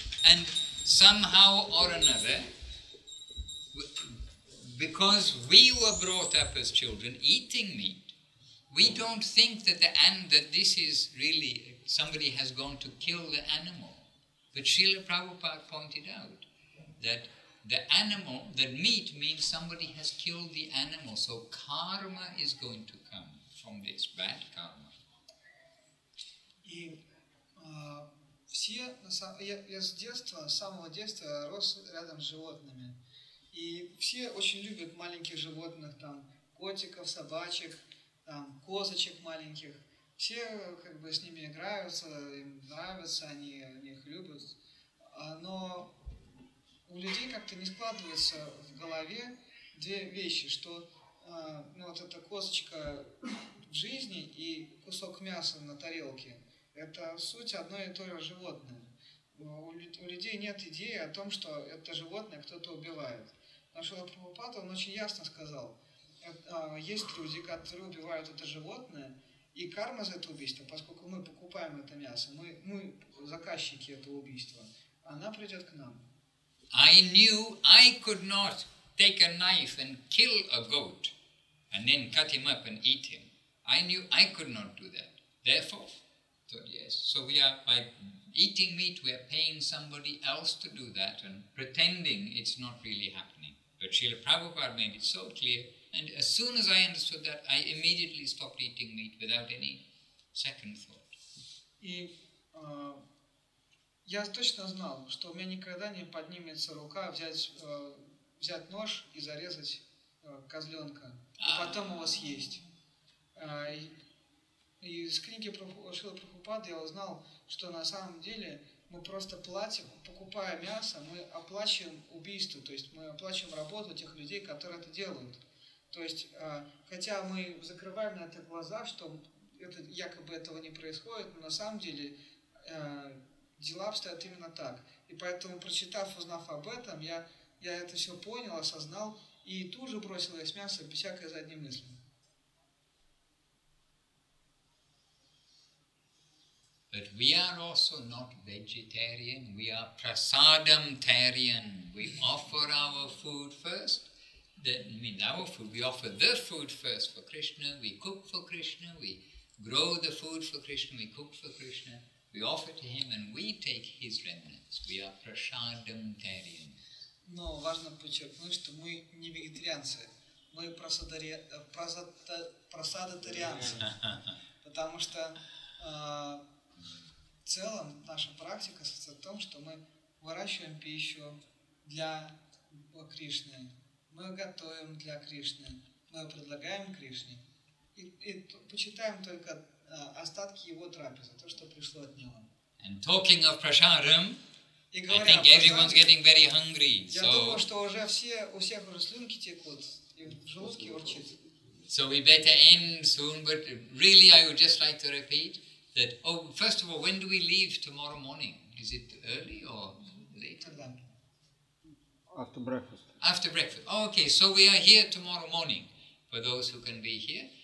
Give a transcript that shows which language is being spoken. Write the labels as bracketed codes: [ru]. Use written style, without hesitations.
[en] And somehow or another, because we were brought up as children eating meat, we don't think that this is really, somebody has gone to kill the animal. But Srila Prabhupada pointed out that the animal, the meat means somebody has killed the animal. So karma is going to come from this bad karma. [ru] И все, я с детства, с самого детства рос рядом с животными. И все очень любят маленьких животных, там котиков, собачек, там козочек маленьких. Все как бы с ними играются, им нравятся, они их любят. Но у людей как-то не складывается в голове две вещи, что вот эта косточка в жизни и кусок мяса на тарелке – это суть одно и то же животное. У людей нет идеи о том, что это животное кто-то убивает. Потому что Прабхупада, он очень ясно сказал, есть люди, которые убивают это животное, и карма за это убийство, поскольку мы покупаем это мясо, мы заказчики этого убийства, она придет к нам. [en] I knew I could not take a knife and kill a goat and then cut him up and eat him. I knew I could not do that. Therefore, I thought, yes. So we are, by eating meat, we are paying somebody else to do that and pretending it's not really happening. But Srila Prabhupada made it so clear. And as soon as I understood that, I immediately stopped eating meat without any second thought. [ru] Я точно знал, что у меня никогда не поднимется рука взять нож и зарезать козленка, и потом его съесть. И из книги Шрилы Прабхупады я узнал, что на самом деле мы просто платим, покупая мясо, мы оплачиваем убийство, то есть мы оплачиваем работу тех людей, которые это делают. То есть, хотя мы закрываем на это глаза, что это, якобы этого не происходит, но на самом деле дела обстоят именно так. И поэтому, прочитав, узнав об этом, я это все понял, осознал и тут же бросил есть мясо без всякой задней мысли. [en] But we are also not vegetarian, we are prasadamtarian. We offer our food first. We offer the food first for Krishna, we cook for Krishna, we grow the food for Krishna, we cook for Krishna. We offer to him and we take his remnants. We are prasadamtarian. [ru] Но важно подчеркнуть, что мы не вегетарианцы. Мы прасадатарианцы. Потому что в целом наша практика состоит в том, что мы выращиваем пищу для Кришны. Мы готовим для Кришны. Мы предлагаем Кришне. И почитаем только остатки его трапезы, то, что пришло от него. [en] And talking of prasadam, [ru] И говоря, [en] I think everyone's getting very hungry. [ru] Я so... думаю, что уже все, у всех уже слюнки текут, и желудки урчит. [en] So we better end soon, but really I would just like to repeat that, oh, first of all, when do we leave tomorrow morning? Is it early or later? After breakfast. After breakfast. Oh, okay, so we are here tomorrow morning for those who can be here.